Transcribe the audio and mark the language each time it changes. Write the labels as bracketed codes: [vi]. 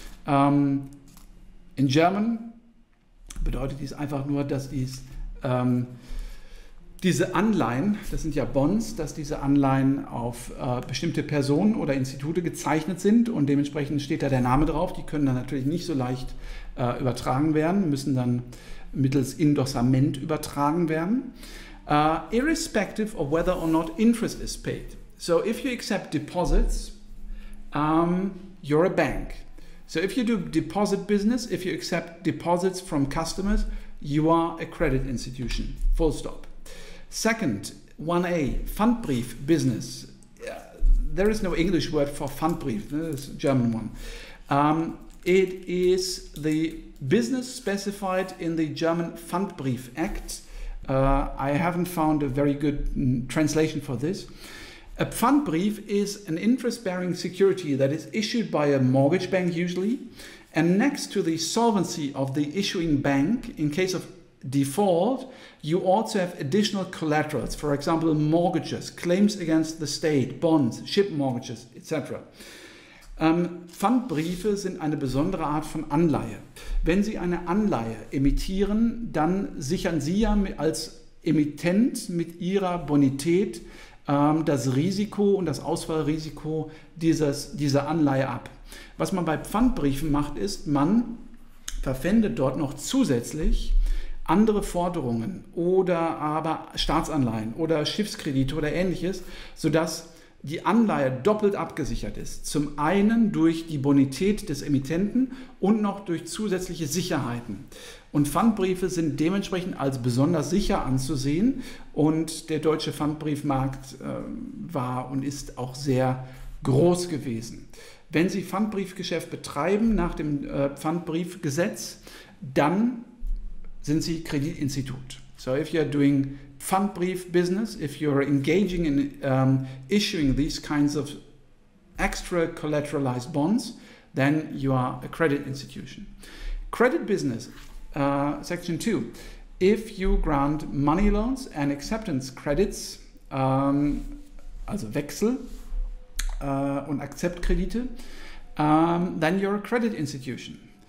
[en] In German [de] bedeutet dies einfach nur, dass dies diese Anleihen, das sind ja Bonds, dass diese Anleihen auf bestimmte Personen oder Institute gezeichnet sind und dementsprechend steht da der Name drauf. Die können dann natürlich nicht so leicht übertragen werden, müssen dann mittels Indossament übertragen werden. [en] Irrespective of whether or not interest is paid. So if you accept deposits, you're a bank. So if you do deposit business, if you accept deposits from customers, you are a credit institution, full stop. Second, 1a, Pfandbrief business. There is no English word for Pfandbrief, it's a German one. It is the business specified in the German Pfandbrief Act. I haven't found a very good translation for this. A Pfandbrief is an interest-bearing security that is issued by a mortgage bank usually, and next to the solvency of the issuing bank in case of default, you also have additional collaterals, for example, mortgages, claims against the state, bonds, ship mortgages, etc. [de] Pfandbriefe sind eine besondere Art von Anleihe. Wenn Sie eine Anleihe emittieren, dann sichern Sie ja als Emittent mit Ihrer Bonität das Risiko und das Ausfallrisiko dieser Anleihe ab. Was man bei Pfandbriefen macht, ist, man verpfändet dort noch zusätzlich andere Forderungen oder aber Staatsanleihen oder Schiffskredite oder ähnliches, sodass die Anleihe doppelt abgesichert ist. Zum einen durch die Bonität des Emittenten und noch durch zusätzliche Sicherheiten. Und Pfandbriefe sind dementsprechend als besonders sicher anzusehen. Und der deutsche Pfandbriefmarkt war und ist auch sehr groß gewesen. Wenn Sie Pfandbriefgeschäft betreiben nach dem Pfandbriefgesetz, dann sind Sie Kreditinstitut. [en] So if you're doing Pfandbrief business, if you're engaging in issuing these kinds of extra collateralized bonds, then you are a credit institution. Credit business, section 2. If you grant money loans and acceptance credits, also [de] Wechsel und Akzeptkredite, [en] then you're a credit institution.